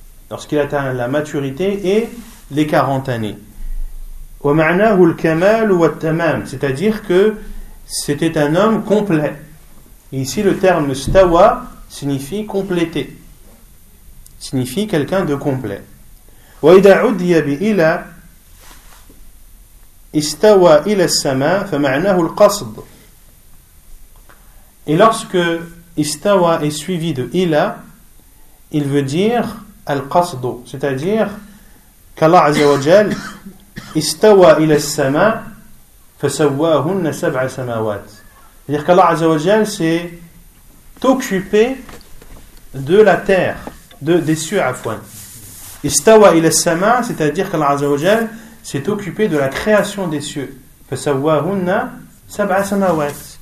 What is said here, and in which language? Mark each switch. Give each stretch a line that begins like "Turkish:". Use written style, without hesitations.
French: Lorsqu'il a atteint la maturité et les 40 années.
Arabic: ومعناه الكمال والتمام,
French: c'est-à-dire que c'était un homme complet. Et ici le terme stawa signifie complété. Signifie quelqu'un de complet.
Arabic: وإذا عدي بإلى استوى إلى السماء فمعناه القصد.
French: Et lorsque استوى est suivi de إلى, il veut dire القصد, c'est-à-dire qu'Allah عز وجل
Arabic: استوى إلى السماء فسواهن سبع سماوات.
French: C'est-à-dire qu'Allah عز وجل s'est occupé de la terre, des cieux à foin.
Arabic: استوى إلى السماء,
French: c'est-à-dire qu'Allah عز وجل s'est occupé de la création des cieux.
Arabic: فسواهن سبع سماوات.